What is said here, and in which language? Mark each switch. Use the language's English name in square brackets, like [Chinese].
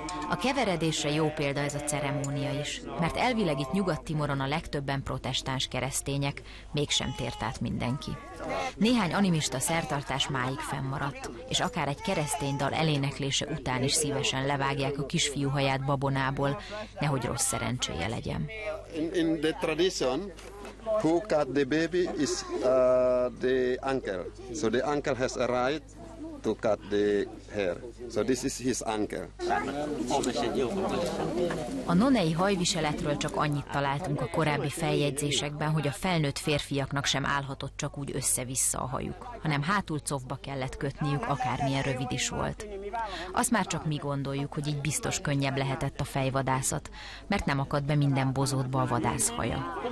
[Hungarian] A keveredésre jó példa ez a ceremónia is, mert elvileg itt Nyugat-Timoron a legtöbben protestáns keresztények, mégsem tért át mindenki. Néhány animista szertartás máig fennmaradt, és akár egy keresztény dal eléneklése után is szívesen levágják a kisfiú haját babonából, nehogy rossz szerencséje legyen. [English] In the tradition, who cut the baby is the uncle. So the uncle has a right to cut the hair. So this is his uncle. [Hungarian] A nonei hajviseletről csak annyit találtunk a korábbi feljegyzésekben, hogy a felnőtt férfiaknak sem állhatott csak úgy össze-vissza a hajuk, hanem hátul cofba kellett kötniük, akármilyen rövid is volt. Azt már csak mi gondoljuk, hogy így biztos könnyebb lehetett a fejvadászat, mert nem akadt be minden bozótba a vadász haja.